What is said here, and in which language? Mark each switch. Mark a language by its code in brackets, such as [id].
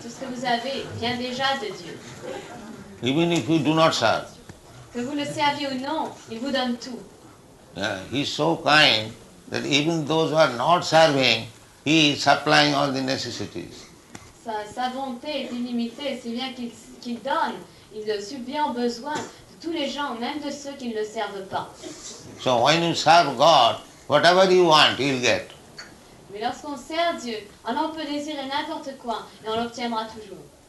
[fr] Tout ce que vous avez vient déjà de Dieu. [en] Even if you do not serve. [fr] Que vous le serviez ou non, il vous donne tout. [en] Yeah, he's so kind that even those who are not serving, he is supplying all the necessities. [fr] Sa bonté est illimitée, si bien qu'il donne, il subvient aux besoins de tous les gens, même de ceux qui ne le servent pas. [en] So when you serve God, whatever you want, you'll get. [fr] Mais lorsqu'on sert Dieu, alors on peut désirer n'importe quoi et on l'obtiendra toujours.